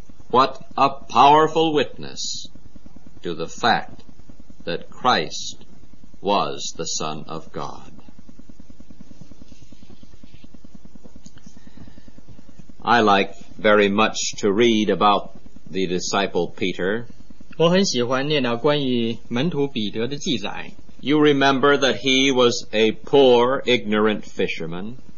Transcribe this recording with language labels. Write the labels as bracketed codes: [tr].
[en] What a powerful witness to the fact that Christ was the Son of God. I like very much to read about the disciple Peter. [zh] 我很喜欢念到关于门徒彼得的记载。 [en] You remember that he was a poor, ignorant fisherman.